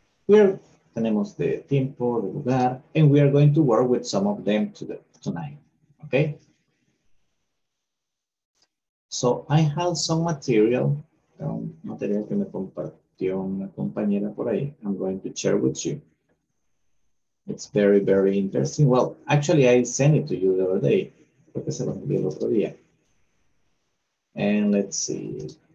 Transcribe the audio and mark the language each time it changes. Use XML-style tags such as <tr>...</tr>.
<es>Tenemos de tiempo, de lugar,</es> <en>and we are going to work with some of them tonight. Okay? So I have some material,</en> <es>material que me compartió una compañera por ahí.</es> <en>I'm going to share with you. It's very, very interesting. Well, actually, I sent it to you the other day.</en> <es>Porque se lo envié el otro día.</es> <en>And let's see.</en>